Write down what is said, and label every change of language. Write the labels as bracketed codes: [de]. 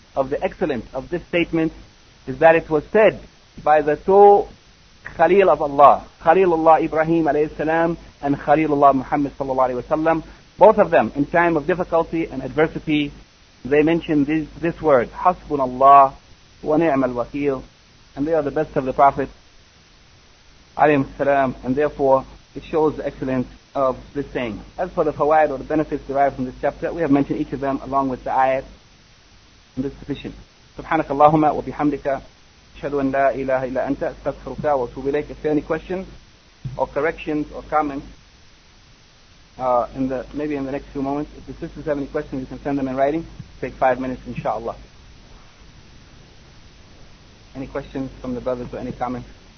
[en] of the excellence of this statement is that it was said by the two Khalil of Allah, Khalilullah Ibrahim alayhi salam and Khalilullah Muhammad sallallahu alayhi wa sallam, both of them in time of difficulty and adversity, they mentioned this word, [ar] Hasbunallah wa ni'mal wakil, [en] and they are the best of the Prophet alayhi salam, and therefore it shows the excellence of this saying. As for the fawaid or the benefits derived from this chapter, we have mentioned each of them along with the ayat, and this is sufficient. [ar] Subhanaka Allahumma wa bihamdika. أشهد أن لا إله إلا أنت أستغفرك وأتوب إليك. [en] If there are any questions or corrections or comments in the next few moments, if the sisters have any questions, you can send them in writing. Take 5 minutes, inshallah. Any questions from the brothers or any comments?